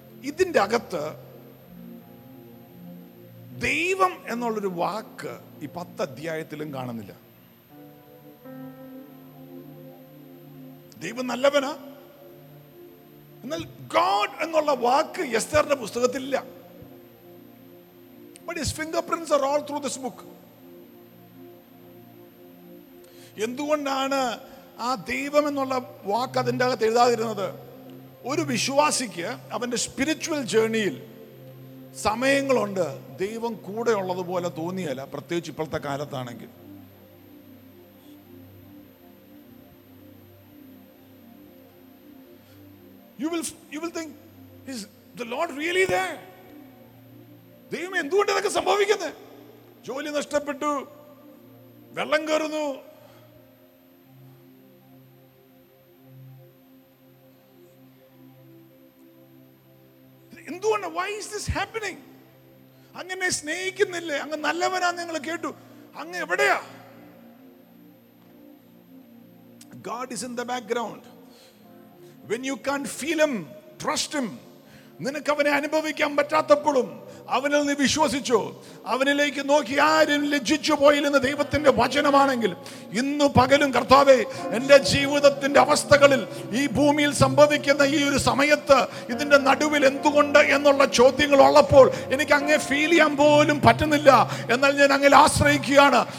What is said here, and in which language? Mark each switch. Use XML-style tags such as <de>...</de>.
<ml>ഇതിൻ്റെ അകത്ത് ദൈവം എന്നുള്ളൊരു വാക്ക് ഈ 10 അധ്യായത്തിലും കാണുന്നില്ല. ദൈവം നല്ലവന്, എന്നാൽ ഗോഡ് എന്നുള്ള വാക്ക് എസ്തറിന്റെ പുസ്തകത്തിലില്ല.</ml> <en>But his fingerprints are all through this book.</en> <ml>എന്തുകൊണ്ടാണ് ആ ദൈവം എന്നുള്ള വാക്ക് അതിൻ്റെ അകത്ത് എഴുതാതിരുന്നത്? ഒരു വിശ്വാസിക്ക് അവൻ്റെ സ്പിരിച്വൽ ജേർണിയിൽ സമയങ്ങളുണ്ട് ദൈവം കൂടെ ഉള്ളതുപോലെ തോന്നിയല്ല, പ്രത്യേകിച്ച് ഇപ്പോഴത്തെ കാലത്താണെങ്കിൽ.</ml> <en>You will think, is the Lord really there?</en> <ml>ദൈവം എന്തുകൊണ്ട് ഇതൊക്കെ സംഭവിക്കുന്നത്? ജോലി നഷ്ടപ്പെട്ടു, വെള്ളം കയറുന്നു, എന്തുകൊണ്ട്?</ml> <en>Why is this happening?</en> <ml>അങ്ങനെ സ്നേഹിക്കുന്നില്ലേ, അങ്ങ് നല്ലവനാ, നിങ്ങൾ കേട്ടു, അങ്ങ് എവിടെയാ?</ml> <en>God is in the background. When you can't feel him, trust him.</en> <ml>നിനക്ക് അവനെ അനുഭവിക്കാൻ പറ്റാത്തപ്പോഴും അവനിൽ നീ വിശ്വസിച്ചോ, അവനിലേക്ക് നോക്കി ആരും ലജ്ജിച്ചു പോയില്ലെന്ന് ദൈവത്തിന്റെ വചനമാണെങ്കിൽ, ഇന്ന് പകലും കർത്താവേ എന്റെ ജീവിതത്തിന്റെ അവസ്ഥകളിൽ ഈ ഭൂമിയിൽ സംഭവിക്കുന്ന ഈ ഒരു സമയത്ത് ഇതിന്റെ നടുവിൽ എന്തുകൊണ്ട് എന്നുള്ള ചോദ്യങ്ങൾ ഉള്ളപ്പോൾ എനിക്ക് അങ്ങേ ഫീൽ ചെയ്യാൻ പോലും പറ്റുന്നില്ല, എന്നാൽ ഞാൻ അങ്ങിൽ ആശ്രയിക്കുകയാണ്.</ml>